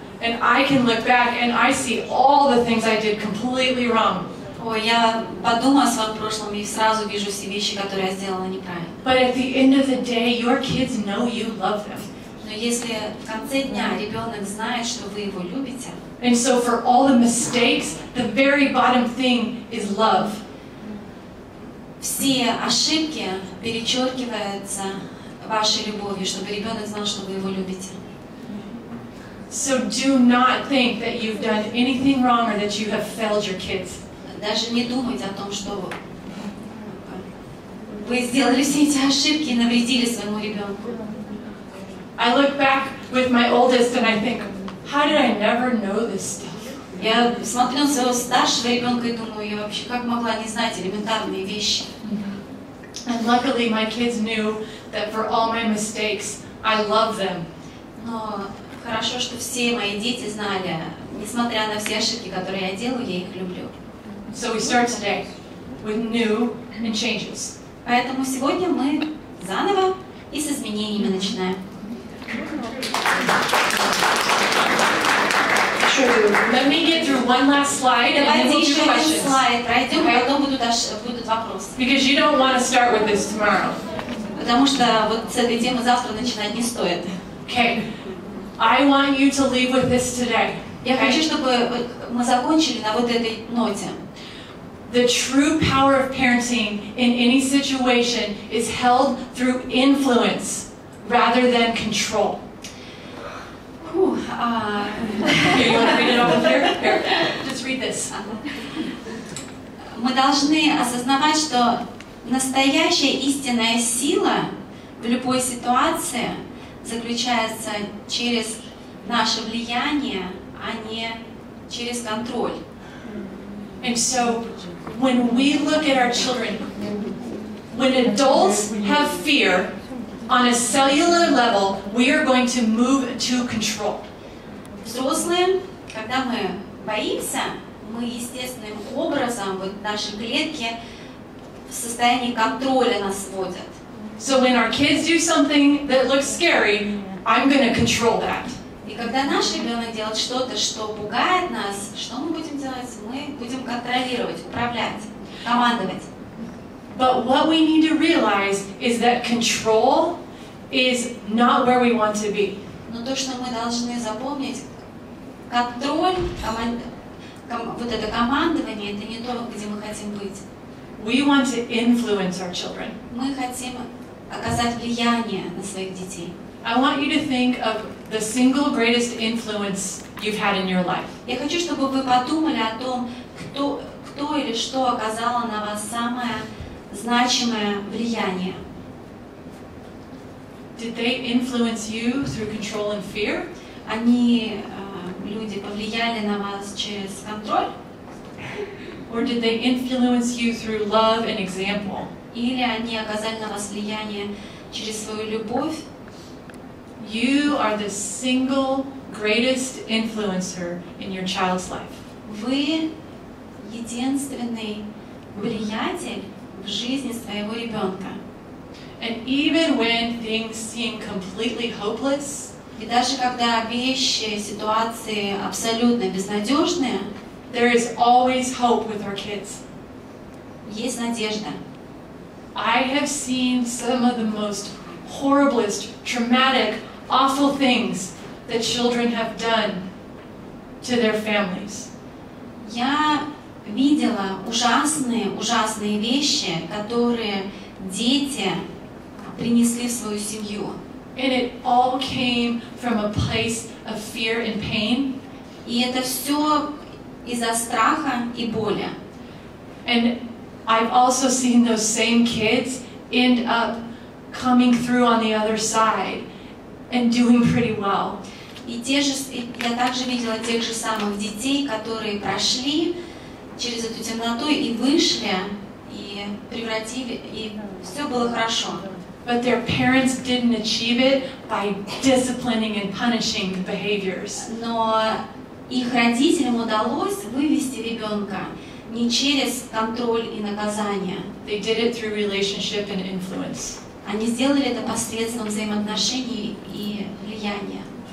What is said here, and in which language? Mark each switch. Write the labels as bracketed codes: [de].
[en] And I can look back and I see all the things I did completely wrong. [ru] Ой, я подумала о своем прошлом и сразу вижу все вещи, которые я сделала неправильно. [en] But at the end of the day, your kids know you love them. [ru] Но если в конце дня ребенок знает, что вы его любите. [en] And so for all the mistakes, the very bottom thing is love. [ru] Все ошибки перечеркиваются вашей любовью, чтобы ребенок знал, что вы его любите. [en] So do not think that you've done anything wrong or that you have failed your kids. [ru] Даже не думайте о том, что вы сделали все эти ошибки и навредили своему ребенку. [en] I look back with my oldest and I think, how did I never know this stuff? [ru] Я смотрю на своего старшего ребенка и думаю, я вообще как могла не знать элементарные вещи. [en] And luckily my kids knew that for all my mistakes, I love them. [ru] Но хорошо, что все мои дети знали, несмотря на все ошибки, которые я делаю, я их люблю. [en] So we start today with new and changes. [ru] Поэтому сегодня мы заново и с изменениями начинаем. [en] Let me get through one last slide, [ru] Давайте [en] and then we'll do questions. [ru] Еще один слайд пройдем, okay. Потом будут вопросы. [en] Because you don't want to start with this tomorrow. [ru] Потому что вот с этой темы завтра начинать не стоит. [en] Okay. I want you to leave with this today. [ru] Я хочу, чтобы мы закончили на вот этой ноте. [en] The true power of parenting in any situation is held through influence rather than control. Here, you want to read it over here? Here, just read this. [ru] Мы должны осознавать, что настоящая истинная сила в любой ситуации заключается через наше влияние, а не через контроль. [en] And so, when we look at our children, when adults have fear, on a cellular level, we are going to move to control. [ru] Взрослые, когда мы боимся, мы естественным образом, вот наши клетки в состоянии контроля нас вводят. [en] So when our kids do something that looks scary, I'm going to control that. [ru] И когда наш ребенок делает что-то, что пугает нас, что мы будем делать? Мы будем контролировать, управлять, командовать. [en] But what we need to realize is that control is not where we want to be. [ru] Но то, что мы должны запомнить, контроль, вот это командование, это не то, где мы хотим быть. [en] We want to influence our children. [ru] Мы хотим оказать влияние на своих детей. [en] I want you to think of the single greatest influence you've had in your life. [ru] Я хочу, чтобы вы подумали о том, кто или что оказало на вас самое значимое влияние. [en] Did they influence you through control and fear? [ru] Они, люди, повлияли на вас через контроль? [en] Or did they influence you through love and example? [ru] Или они оказали на вас влияние через свою любовь? [en] You are the single greatest influencer in your child's life. [ru] Вы единственный влиятель в жизни своего ребенка. [en] And even when things seem completely hopeless, [ru] и даже когда вещи, ситуации абсолютно безнадежные, [en] there is always hope with our kids. [ru] Есть надежда. [en] I have seen some of the most horriblest, traumatic, awful things that children have done to their families. [ru] Я видела ужасные, ужасные вещи, которые дети принесли в свою семью. [en] And it all came from a place of fear and pain. [ru] И это все из-за страха и боли. [en] And I've also seen those same kids end up coming through on the other side and doing pretty well. [ru] И те же, я также видела тех же самых детей, которые прошли через эту темноту и вышли, и превратили, и все было хорошо. [en] But their parents didn't achieve it by disciplining and punishing the behaviors. [ru] Но их родителям удалось вывести ребенка не через контроль и наказание. [en] They did it through relationship and influence. [ru] Они сделали это посредством взаимоотношений и влияния.